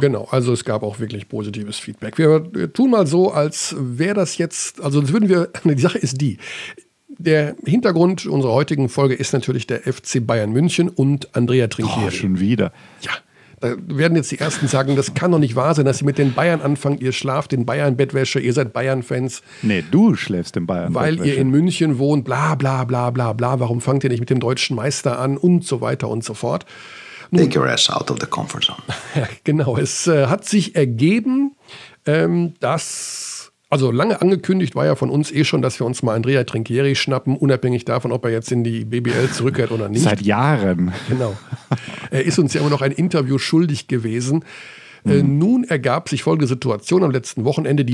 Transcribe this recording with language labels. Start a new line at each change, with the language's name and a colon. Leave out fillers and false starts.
German: Genau, also es gab auch wirklich positives Feedback. Wir tun mal so, als wäre das jetzt, also das würden wir, die Sache ist die, der Hintergrund unserer heutigen Folge ist natürlich der FC Bayern München und Andrea Trinchieri. Oh, schon wieder. Ja. Da werden jetzt die Ersten sagen, das kann doch nicht wahr sein, dass ihr mit den Bayern anfangt, ihr schlaft in Bayern-Bettwäsche, ihr seid Bayern-Fans. Nee, du schläfst in Bayern-Bettwäsche. Weil ihr in München wohnt, bla bla bla bla bla, warum fangt ihr nicht mit dem deutschen Meister an und so weiter und so fort.
English: Nun, take your ass out of the comfort zone.
German: Genau, es hat sich ergeben, dass, also lange angekündigt war ja von uns eh schon, dass wir uns mal Andrea Trinchieri schnappen, unabhängig davon, ob er jetzt in die BBL zurückkehrt oder nicht. Seit Jahren. Genau. Er ist uns ja immer noch ein Interview schuldig gewesen. Nun ergab sich folgende Situation am letzten Wochenende.